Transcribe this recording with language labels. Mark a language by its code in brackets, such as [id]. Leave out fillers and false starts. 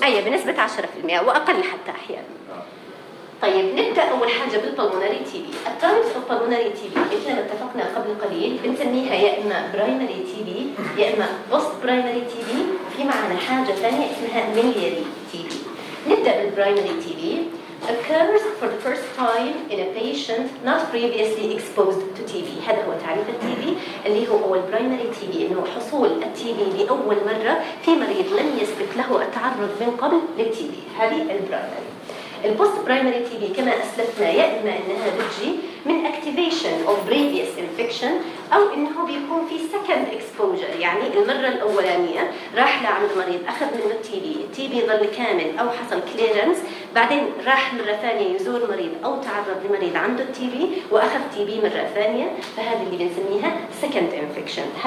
[ar] بنسبه 10% واقل حتى احيانا. طيب نبدا اول حاجه بالبولمونري تي بي. التايبس اوف بولمونري تي بي مثل ما اتفقنا قبل قليل بنسميها يا اما برايمري تي بي يا اما بوست برايمري تي بي، في معنى حاجه ثانيه اسمها ميلياري تي بي. نبدا بالبرايمري تي بي. [en] occurs for the first time in a patient not previously exposed to TB. [ar] هذا هو تعريف التي بي اللي هو أول primary TB، إنه حصول التي بي لأول مرة في مريض لم يسبق له التعرض من قبل للتي بي، هذه البرايمري. البوست برايمري تي بي كما أسلفنا يا إما إنها بتجي من [en] activation of previous infection [ar] أو إنه بيكون في second exposure، يعني المرة الأولانية راح لعند المريض أخذ منه التي بي ظل كامل أو حصل clearance، بعدين راح مرة ثانية يزور مريض أو تعرض لمريض عنده التي بي وأخذ تي بي مرة ثانية، فهذا اللي بنسميها second infection.